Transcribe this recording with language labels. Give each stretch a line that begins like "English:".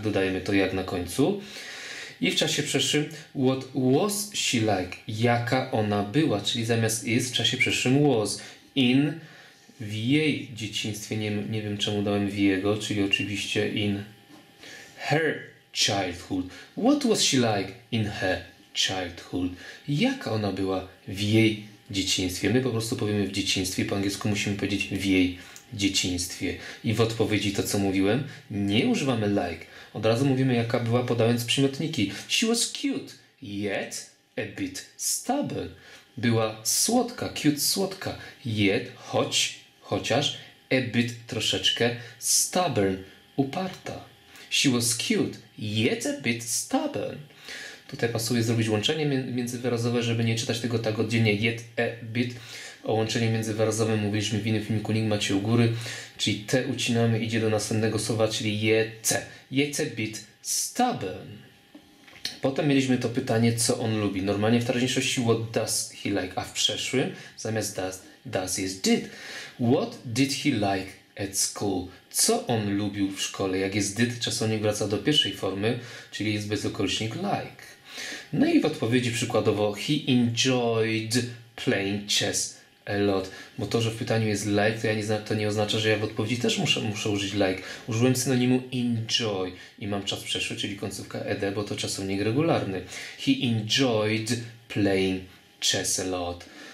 Polish: Dodajemy to jak na końcu. I w czasie przeszłym.
English: What was she like?
Polish: Jaka ona była? Czyli zamiast is w czasie przeszłym was. In w jej dzieciństwie. Nie wiem, czemu dałem w jego.
English: Czyli oczywiście in her childhood. What was she like in her childhood.
Polish: Jaka ona była w jej dzieciństwie? My po prostu powiemy w dzieciństwie, po angielsku musimy powiedzieć w jej dzieciństwie. I w odpowiedzi to, co mówiłem, nie używamy like. Od razu mówimy, jaka była, podając przymiotniki.
English: She was cute, yet a bit stubborn.
Polish: Była słodka, cute, słodka. Yet, chociaż a bit, troszeczkę stubborn, uparta.
English: She was cute, yet a bit stubborn.
Polish: Tutaj pasuje zrobić łączenie międzywyrazowe, żeby nie czytać tego tak oddzielnie, yet, a, bit. O łączeniu międzywyrazowym mówiliśmy w innym filmiku, link macie u góry. Czyli te ucinamy, idzie do następnego słowa, czyli yet, yet, a, bit, stubborn. Potem mieliśmy to pytanie, co on lubi. Normalnie w teraźniejszości,
English: what does he like?
Polish: A w przeszłym, zamiast does jest did.
English: What did he like at school?
Polish: Co on lubił w szkole? Jak jest did, czasownik wraca do pierwszej formy, czyli jest bezokolicznik like. No i w odpowiedzi przykładowo
English: he enjoyed playing chess a lot.
Polish: Bo to, że w pytaniu jest like, to nie oznacza, że ja w odpowiedzi też muszę użyć like. Użyłem synonimu enjoy i mam czas przeszły, czyli końcówka ed, bo to czasownik regularny.
English: He enjoyed playing chess a lot.